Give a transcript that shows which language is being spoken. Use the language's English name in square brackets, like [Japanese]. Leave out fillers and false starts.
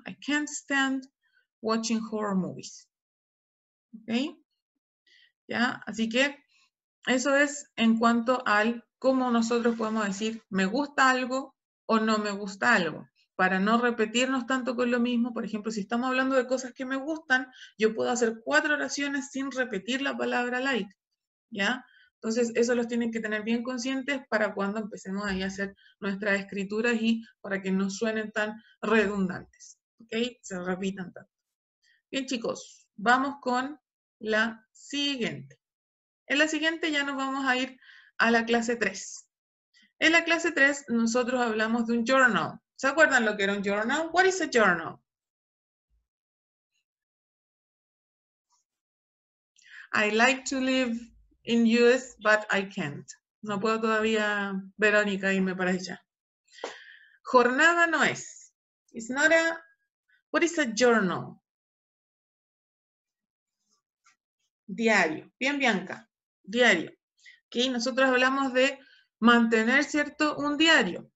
[English] I can't stand watching horror movies. [Spanish] ¿Ok? ¿Ya? Así que eso es en cuanto al cómo nosotros podemos decir me gusta algo o no me gusta algo. Para no repetirnos tanto con lo mismo, por ejemplo, si estamos hablando de cosas que me gustan, yo puedo hacer cuatro oraciones sin repetir la palabra like. ¿Ya? Entonces, eso los tienen que tener bien conscientes para cuando empecemos ahí a hacer nuestras escrituras y para que no suenen tan redundantes. ¿Ok? Se repitan tanto. Bien, chicos, vamos con la siguiente. En la siguiente ya nos vamos a ir a la clase 3. En la clase 3 nosotros hablamos de un journal. ¿Se acuerdan lo que era un journal? [English] What is a journal? I like to live in US, but I can't. [Spanish] No puedo todavía, Verónica, irme para allá. Jornada no es. [English] It's not a... What is a journal? [Spanish] Diario. Bien, Bianca. Diario. Okay, nosotros hablamos de mantener, ¿cierto? Un diario.